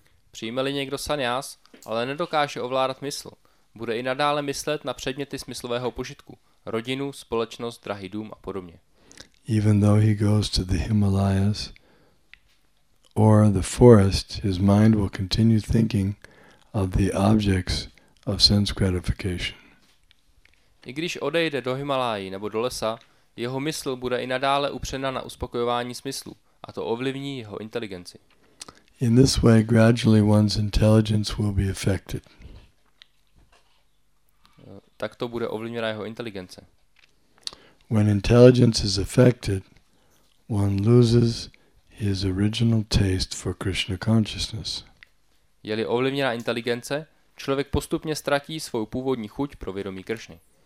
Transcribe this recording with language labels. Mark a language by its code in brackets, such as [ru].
[cs] Přijme-li někdo sannyas, ale nedokáže ovládat mysl, bude i nadále myslet na předměty smyslového požitku, rodinu, společnost, drahý dům a podobně. [en] Even though he goes to the Himalayas or the forest, his mind will continue thinking of the objects of sense gratification. [cs] I když odejde do Himalájí nebo do lesa, jeho mysl bude i nadále upřena na uspokojování smyslu, a to ovlivní jeho inteligenci. [en] In this way gradually one's intelligence will be affected. [cs] Tak to bude ovlivněna jeho inteligence. [en] When intelligence is affected, one loses his original taste for Krishna consciousness. [cs] Je-li ovlivněna inteligence, člověk postupně ztratí svou původní chuť pro vědomí Kršny.